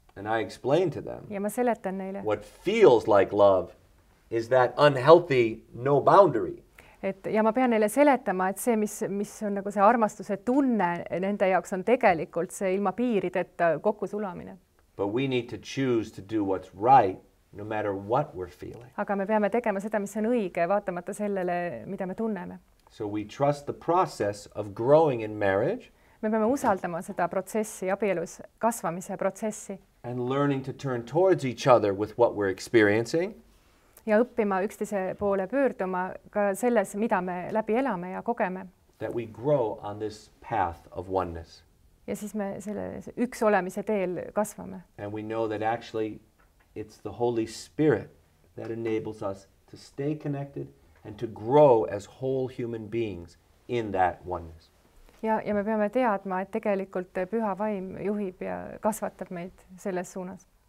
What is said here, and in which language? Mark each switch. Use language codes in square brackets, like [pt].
[en] And I explain to them. [et] Ja ma seletan neile. [en] What feels like love is that unhealthy no boundary. [et] Et ja ma pean neile seletama, et see, mis on nagu see armastuse tunne nende jaoks on tegelikult see ilma piirideta kokku sulamine. [en] But we need to choose to do what's right no matter what we're feeling. [et] Aga me peame tegema seda, mis on õige, vaatamata sellele, mida me tunneme. [en] So we trust the process of growing in marriage. [et] Me peame usaldama seda protsessi, abielus kasvamise protsessi. [en] And learning to turn towards each other with what we're experiencing. [et] Ja õppima üksteise poole pöörduma ka selles, mida me läbi elame ja kogeme. [en] That we grow on this path of oneness. [et] Ja siis me selle üks olemise teel kasvame. [en] And we know that actually it's the Holy Spirit that enables us to stay connected and to grow as whole human beings in that oneness. [et] Ja me peame teadma, et tegelikult püha vaim juhib ja kasvatab meid selles suunas.